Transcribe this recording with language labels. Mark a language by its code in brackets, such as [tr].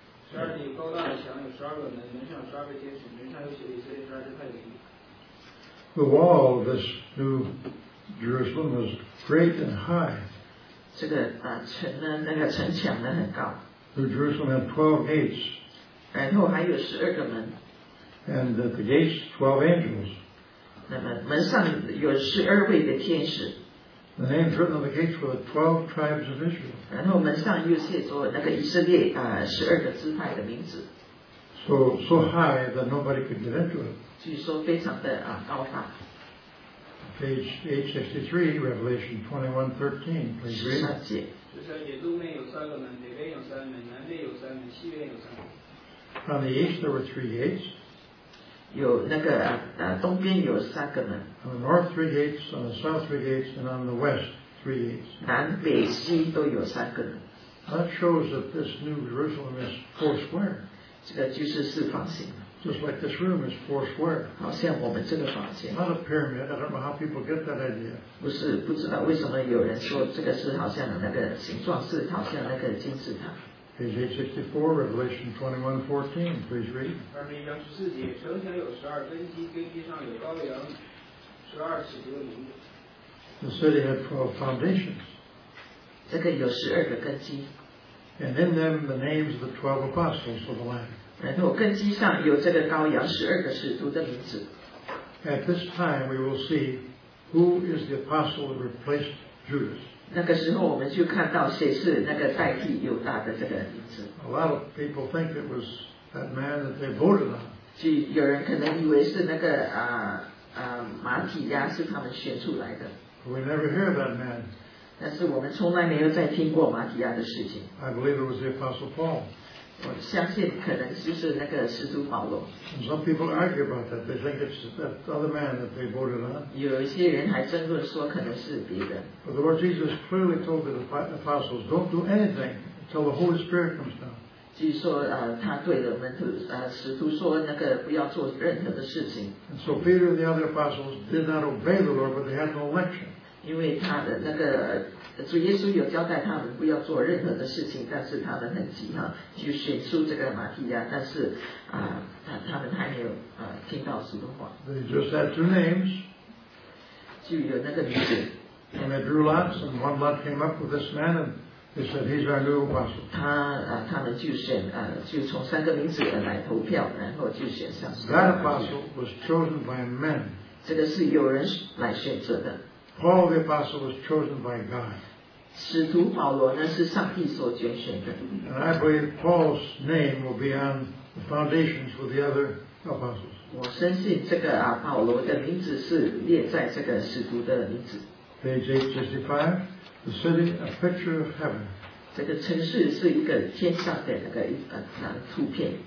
[zh] 十二节，高大的墙有十二个门，门上十二位天使，门上有写的以色列十二支派的名。 [en] The wall of this new Jerusalem was great and high. [zh] 这个城呢，那个城墙呢很高。 [en] New Jerusalem had 12 gates. [zh] 然后还有十二个门。 [en] And the gates, 12 angels. [zh] 那么门上有十二位的天使。 [en] The names written on the gates were the 12 tribes of Israel. [zh] 然后门上又写着那个以色列十二个支派的名字。 [en] So high that nobody could get into it. [zh] 据说非常的高大。 [en] Page 863, Revelation 21:13. Please read. [zh] 十三节，东面有三个门，北边有三门，南边有三门，西边有三门。 [en] On the east there were three gates. [zh] 有那个东边有三个门。 [en] On the north three gates, on the south three gates, and on the west three gates. [zh] 南北西都有三个门。 [en] That shows that this new Jerusalem is four square. [zh] 这个就是四方形。 [en] Just like this room is four square. [zh] 好像我们这个房间。 [en] Not a pyramid. I don't know how people get that idea. [zh] 不是，不知道为什么有人说这个是好像那个形状是好像那个金字塔。 [en] Page 864, Revelation 21:14, please read. [zh] 二面将十四节，城墙有十二根基，根基上有羔羊十二尺多名。 [en] The city had 12 foundations. [zh] 这个有十二个根基。 [en] And in them the names of the 12 apostles of the Lamb. [zh] 然后根基上有这个羔羊十二个使徒的名字。 [en] At this time we will see who is the apostle who replaced Judas. [zh] 那个时候我们就看到谁是那个代替犹大的这个名字。 [en] A lot of people think it was that man that they voted on. [zh] 有人可能以为是那个马提亚是他们选出来的。 [en] We never hear that man. [zh] 但是我们从来没有再听过马提亚的事情。 [en] I believe it was the Apostle Paul. [zh] 我相信可能就是那个使徒保罗。 [en] And some people argue about that. They think it's that other man that they voted on. [zh] 有一些人还争论说可能是别的。 [en] But the Lord Jesus clearly told the apostles, don't do anything until the Holy Spirit comes down. [zh] 据说他对的门徒使徒说那个不要做任何的事情。 [en] And so Peter and the other apostles did not obey the Lord, but they had no election. [zh] 因为他的那个主耶稣有交代他们不要做任何的事情，但是他们很急哈，就选出这个马提亚，但是他们还没有听到主的话。 [en] They just had two names. [zh] 就有那个名字。 [en] And they drew lots, and one lot came up with this man, and they said he's our new apostle. [zh] 他们就选就从三个名字来投票，然后就选上。 [en] That apostle was chosen by men. [zh] 这个是有人来选择的。 [en] Paul the apostle was chosen by God. [zh] 使徒保罗呢是上帝所拣选的。 [en] And I believe Paul's name will be on the foundations with the other apostles. [zh] 我深信这个保罗的名字是列在这个使徒的名字。 [en] Page 865, the city, a picture of heaven. [zh] 这个城市是一个天上的那个图片。